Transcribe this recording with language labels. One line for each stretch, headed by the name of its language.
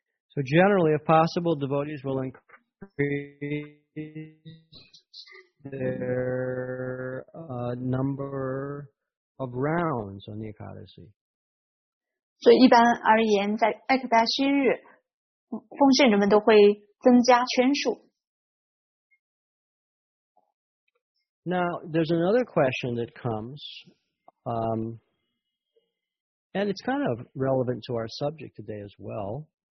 English: So generally, if possible, devotees will increase their number of rounds on the Ekadasi.
Chinese: 所以一般而言，在埃克达西日，奉献者们都会增加圈数。
English: Now, there's another question that comes, and it's kind of relevant to our subject today as well.